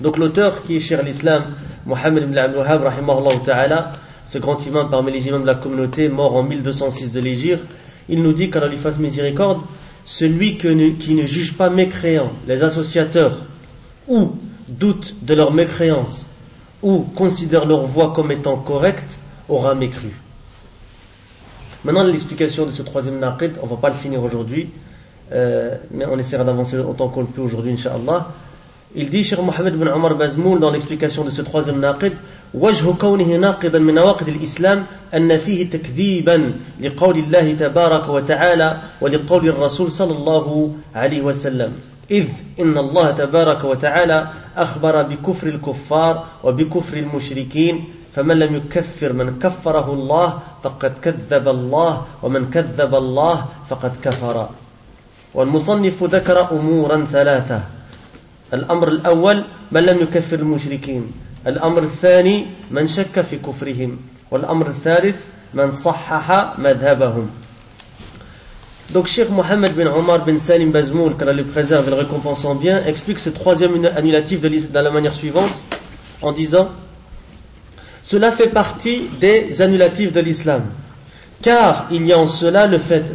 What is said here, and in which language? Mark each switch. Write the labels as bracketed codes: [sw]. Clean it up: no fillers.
[fr] Donc, l'auteur, qui est Cheikh l'Islam, Mohammed ibn al-Wahhab rahimahullah ta'ala, ce grand imam parmi les imams de la communauté, mort en 1206 de l'Hégire, il nous dit, qu'Allah lui fasse miséricorde, celui qui ne juge pas mécréants, les associateurs, ou doute de leur mécréance, ou considère leur voie comme étant correcte, aura mécru. Maintenant, l'explication de ce troisième naqid, on ne va pas le finir aujourd'hui, mais on essaiera d'avancer autant qu'on le peut aujourd'hui, inshallah. Il dit, Cheikh Mohammed ibn Omar Bazmoul, dans l'explication de ce troisième naqid, [ar] وجه كونه ناقضا من نواقض الإسلام أن فيه تكذيبا لقول الله تبارك وتعالى ولقول الرسول صلى الله عليه وسلم إذ إن الله تبارك وتعالى أخبر بكفر الكفار وبكفر المشركين فمن لم يكفر من كفره الله فقد كذب الله ومن كذب الله فقد كفر. والمصنف ذكر أمورا ثلاثة، الأمر الأول من لم يكفر المشركين، الأمر الثاني من شك في كفرهم، والأمر الثالث من صحح مذهبهم. [fr] Donc Cheikh Mohammed bin Omar bin Salim Bazmoul, qu'Allah le préserve et le récompense en bien, explique ce troisième annulatif de la manière suivante, en disant, cela fait partie des annulatifs de l'islam, car il y a en cela le fait.